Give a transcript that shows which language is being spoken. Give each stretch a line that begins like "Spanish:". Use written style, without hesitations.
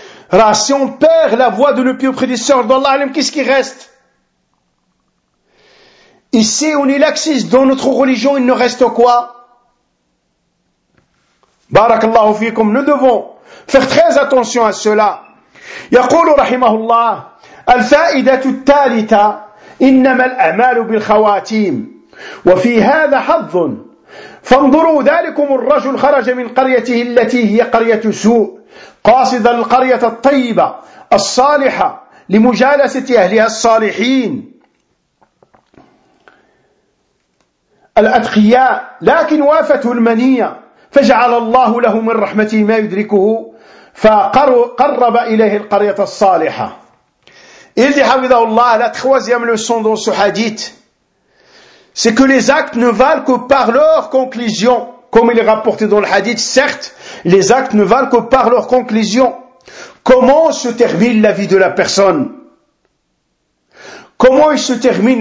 French: Alors, si on perd la voie de nos pieux prédécesseurs d'Allah, qu'est-ce qui reste? Ici, on est laxiste. Dans notre religion, il ne reste quoi? Barakallahu fikum. Nous devons faire très attention à cela.
Arabic: يقول رحمه الله الفائدة الثالثة إنما الأعمال بالخواتيم وفي هذا حظ فانظروا ذلكم الرجل خرج من قريته التي هي قرية سوء قاصدا القرية الطيبة الصالحة لمجالسة أهلها الصالحين الأتقياء لكن وافته المنية فجعل الله له من رحمته ما يدركه فقرب إليه القرية الصالحة.
French: Il dit,
Arabic: حفظه الله,
French: la troisième leçon dans ce hadith, c'est que les actes ne valent que par leur conclusion. Comme il est rapporté dans le hadith, certes, les actes ne valent que par leur conclusion. Comment se termine la vie de la personne? Comment il se termine?